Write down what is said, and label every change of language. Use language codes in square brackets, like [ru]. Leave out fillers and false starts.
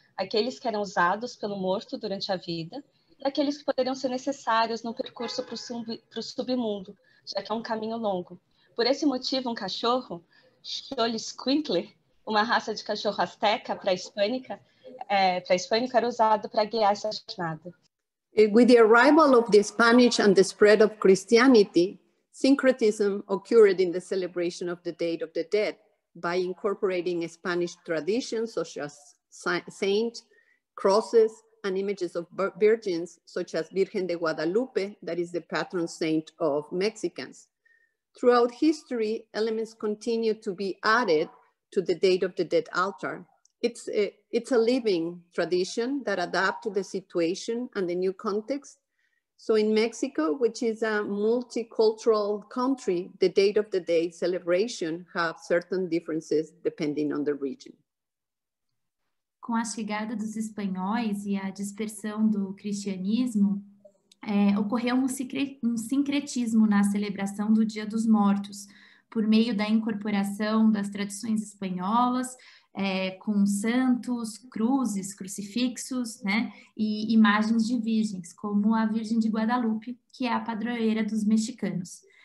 [pt] Aqueles que eram usados pelo morto durante a vida e aqueles que poderiam ser necessários no percurso para o submundo, já que é um caminho longo. Por esse motivo, um cachorro, Xoloitzcuintle, uma raça de cachorro azteca pré-hispânico, era usado para guiar essa jornada. [en] With the arrival of the Spanish and the spread of Christianity, syncretism occurred in the celebration of the Day of the Dead by incorporating Spanish traditions such as saints, crosses, and images of virgins such as Virgen de Guadalupe, that is the patron saint of Mexicans. Throughout history, elements continue to be added to the date of the dead altar. It's a living tradition that adapts to the situation and the new context. So in Mexico, which is a multicultural country, the date of the day celebration have certain differences depending on the region. [pt] Com a chegada dos espanhóis e a dispersão do cristianismo, ocorreu um sincretismo na celebração do Dia dos Mortos, por meio da incorporação das tradições espanholas, com santos, cruzes, crucifixos, né, e imagens de virgens, como a Virgem de Guadalupe, que é a padroeira dos mexicanos.